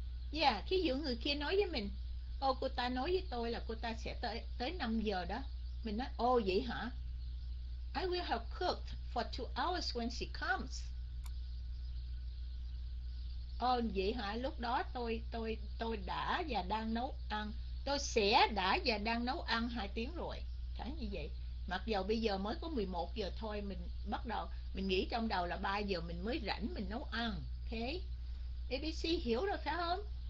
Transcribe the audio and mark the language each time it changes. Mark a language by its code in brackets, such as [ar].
[vi] Dạ, ví dụ người kia nói với mình, ô cô ta nói với tôi là cô ta sẽ tới tới 5 giờ đó. Mình nói, ô vậy hả? [en] I will have cooked for 2 hours when she comes. [vi] Ô vậy hả? Lúc đó tôi đã và đang nấu ăn. Tôi sẽ đã và đang nấu ăn 2 tiếng rồi. Thế như vậy. Mặc dù bây giờ mới có 11 giờ thôi, mình bắt đầu, mình nghĩ trong đầu là 3 giờ mình mới rảnh mình nấu ăn. Thế, ABC hiểu rồi phải không?